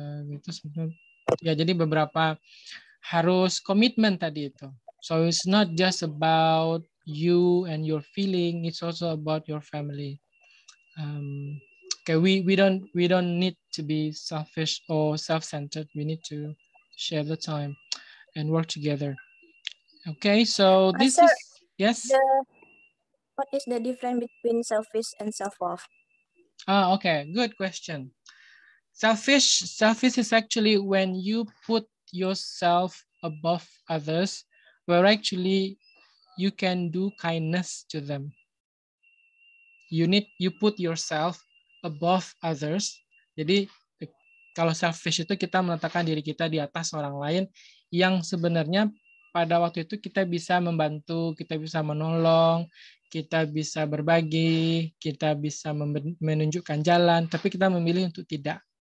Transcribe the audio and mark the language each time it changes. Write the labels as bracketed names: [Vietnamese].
[Indonesian] Itu ya, jadi beberapa harus komitmen tadi itu. [English] So it's not just about you and your feeling, it's also about your family. Okay, we don't need to be selfish or self-centered. We need to share the time and work together. Okay, so this is, yes. What is the difference between selfish and self-love? Ah, okay, good question. Selfish is actually when you put yourself above others, where actually you can do kindness to them. You put yourself above others. [Indonesian] Jadi kalau selfish itu kita meletakkan diri kita di atas orang lain, yang sebenarnya pada waktu itu kita bisa membantu, kita bisa menolong, kita bisa berbagi, kita bisa menunjukkan jalan, tapi kita memilih untuk tidak.